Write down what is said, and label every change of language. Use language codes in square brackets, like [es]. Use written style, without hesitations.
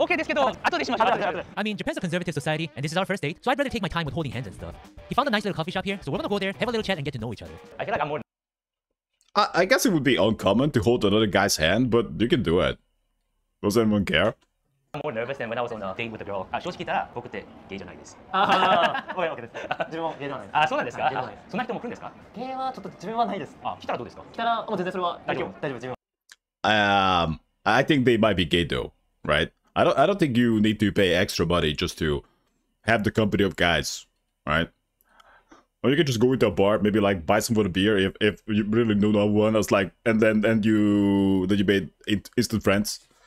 [en] I mean, Japan's a conservative society, and this is our first date, so I'd rather take my time with holding hands and stuff. He found a nice little coffee shop here, so we're gonna go there, have a little chat, and get to know each other. I feel like I'm more... I guess it would be uncommon to hold another guy's hand, but you can do it. Does anyone care? I'm more nervous than when I was on a date with a girl. [ja] 正直言ったら僕ってゲイじゃないです。あ、オッケーです。自分もゲイじゃないです。あ、そうなんですか? そんな人も来るんですか? ゲイはちょっと自分はないです。あ、来たらどうですか? 来たら、もう全然それは大丈夫。大丈夫、自分は。 [en] I think they might be gay though, right? I don't think you need to pay extra money just to have the company of guys, right? Or you could just go into a bar, maybe like buy some for the beer if you really know no one else, like, and then you made instant friends.